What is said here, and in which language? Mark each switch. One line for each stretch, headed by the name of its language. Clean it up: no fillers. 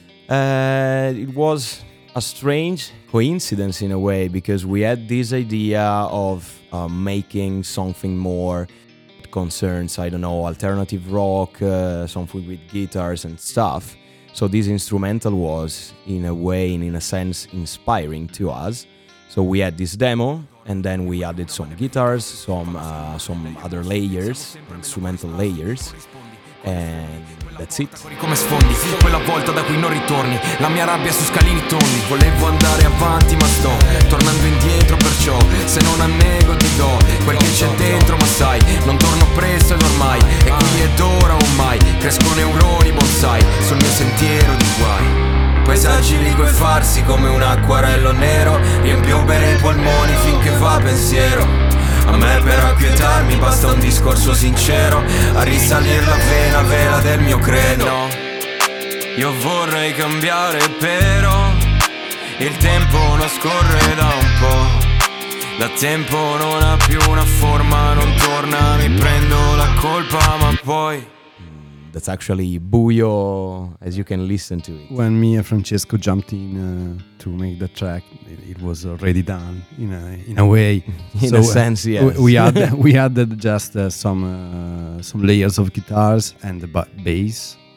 English: It was a strange coincidence in a way, because we had this idea of making something more concerns, I don't know, alternative rock, something with guitars and stuff. So this instrumental was, in a way, in a sense, inspiring to us. So we had this demo, and then we added some guitars, some other layers, instrumental layers, and that's it.
Italian: Come sfondi, quella volta da cui non ritorni, la mia rabbia su scalini tondi. Volevo andare avanti ma sto tornando indietro, perciò se non annego ti do quel che c'è dentro, ma sai, non torno presto ed ormai, e qui ed ora o mai, cresco neuroni bonsai sul mio sentiero di guai. Paesaggi liquefarsi farsi come un acquarello nero, riempio bene i polmoni finché va pensiero. A me per acquietarmi basta un discorso sincero, a risalire la vena vela del mio credo. No, io vorrei cambiare però, il tempo non scorre da un po', da tempo non ha più una forma, non torna, mi prendo la colpa ma poi...
English: That's actually Buio, as you can listen to it. When me and Francesco jumped in to make the track, it was already done in a way. In so a sense, yes. We added just some layers of guitars and the bass.